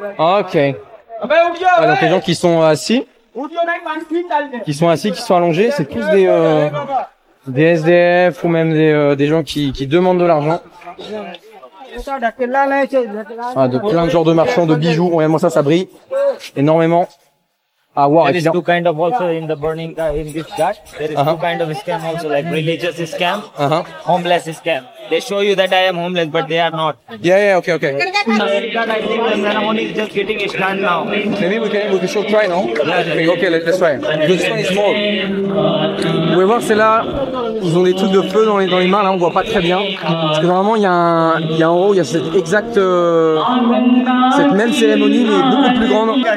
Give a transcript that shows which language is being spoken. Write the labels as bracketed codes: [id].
[fr] Ok. Alors, les gens qui sont assis. Qui sont assis, qui sont allongés, c'est tous des SDF ou même des gens qui demandent de l'argent. Ah, de plein de genres de marchands de bijoux, ouais, moi ça brille énormément. [en] Ah, wow, there is two kind of also in the burning in this guy. There is two kind of scam also, like religious scam, homeless scam. They show you that I am homeless, but they are not. Yeah, okay. In America, I think the ceremony is just getting started now. Maybe we can should try, no? Okay, let's try. This one is small. [fr] Vous pouvez voir, c'est là, ils ont des trucs de feu dans les mains, là, on voit pas très bien. Parce que normalement, il y a en haut, il y a cette exacte, cette même cérémonie, mais beaucoup plus grande.